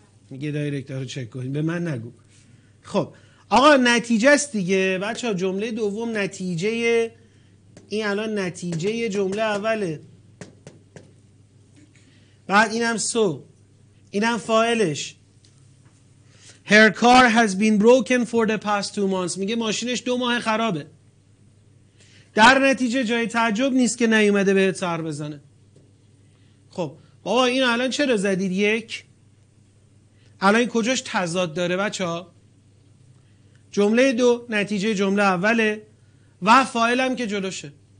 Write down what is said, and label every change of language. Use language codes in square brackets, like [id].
[fa] میگه دایرکتر رو چک کنی، به من نگو. خب آقا نتیجه است دیگه بچه ها، جمله دوم نتیجه این، الان نتیجه جمله اوله، بعد اینم سو، اینم فاعلش. [en] Her car has been broken for the past 2 months. [fa] میگه ماشینش 2 ماه خرابه. در نتیجه جای تعجب نیست که نیومده بهت سر بزنه. خب بابا این الان چرا زدید 1؟ الان کجاش تضاد داره بچه ها؟ جمله 2 نتیجه جمله اوله و فاعل هم که جلوشه.